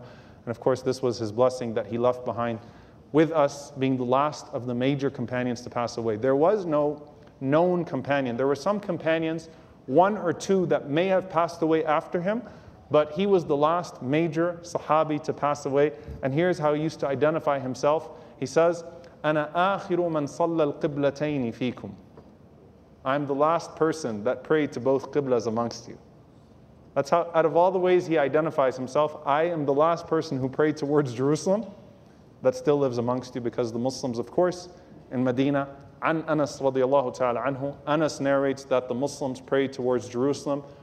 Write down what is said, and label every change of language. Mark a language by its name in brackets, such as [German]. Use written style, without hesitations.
[English] And of course, this was his blessing that he left behind with us, being the last of the major companions to pass away. There was no known companion. There were some companions, 1 or 2, that may have passed away after him, but he was the last major sahabi to pass away. And here's how he used to identify himself. He says, [Arabic] أَنَا آخِرُ مَنْ صَلَّى الْقِبْلَتَيْنِ فِيكُمْ. [English] I'm the last person that prayed to both qiblas amongst you. That's how, out of all the ways he identifies himself, I am the last person who prayed towards Jerusalem that still lives amongst you, because the Muslims, of course, in Medina, an Anas radiallahu ta'ala anhu, Anas narrates that the Muslims prayed towards Jerusalem